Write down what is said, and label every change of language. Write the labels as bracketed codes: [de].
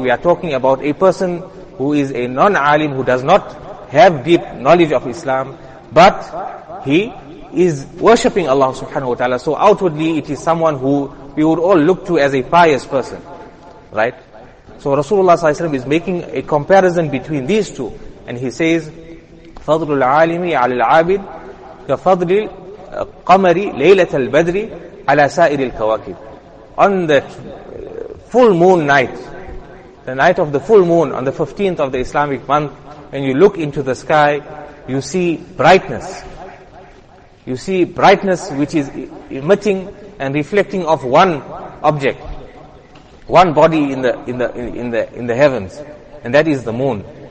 [en] We are talking about a person who is a non-alim, who does not have deep knowledge of Islam, but he is worshipping Allah subhanahu wa ta'ala. So outwardly, it is someone who we would all look to as a pious person, right? So Rasulullah sallallahu alaihi wasallam is making a comparison between these two. And he says, [ar] فَضْلُ الْعَالِمِ عَلَى الْعَابِدِ كَفَضْلِ الْقَمَرِ لَيْلَةَ الْبَدْرِ عَلَى سَائِرِ الْكَوَاكِبِ. [en] On the full moon night, the night of the full moon, on the 15th of the Islamic month, when you look into the sky, you see brightness. You see brightness which is emitting and reflecting off one object, one body in the heavens, and that is the moon.